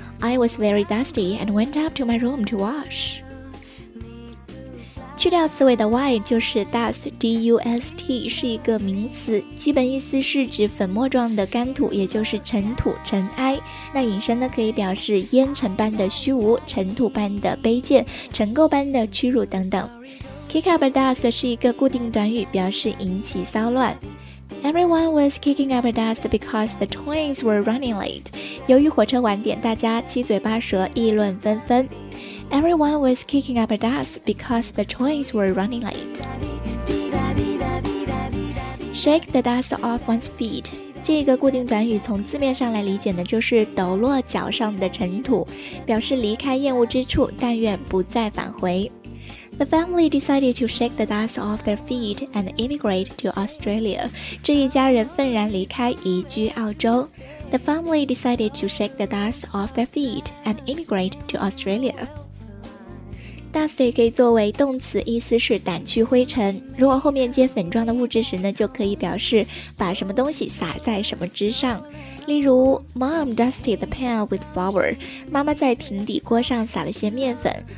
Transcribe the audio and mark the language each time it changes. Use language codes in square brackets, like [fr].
[en] I was very dusty and went up to my room to wash. [zh] 去掉词尾的 y 就是 dust, D-U-S-T, 是一个名词，基本意思是指粉末状的干土，也就是尘土、尘埃。那引申呢，可以表示烟尘般的虚无、尘土般的卑贱、尘垢般的屈辱等等。 [en] Kick up a dust [zh] 是一个固定短语，表示引起骚乱。 [en] Everyone was kicking up a dust because the trains were running late. [zh] 由于火车晚点，大家七嘴八舌，议论纷纷。 [en] Everyone was kicking up a dust because the trains were running late. Shake the dust off one's feet. [zh] 这个固定短语从字面上来理解呢，就是抖落脚上的尘土，表示离开厌恶之处，但愿不再返回。 [en] The family decided to shake the dust off their feet and immigrate to Australia. [zh] 这一家人愤然离开，移居澳洲。 [en] The family decided to shake the dust off their feet and immigrate to Australia. [zh] Dust 可以作为动词，意思是掸去灰尘。如果后面接粉状的物质时呢，就可以表示把什么东西撒在什么之上。例如 [en] ，Mom dusted the pan with flour。 [zh] 妈妈在平底锅上撒了些面粉。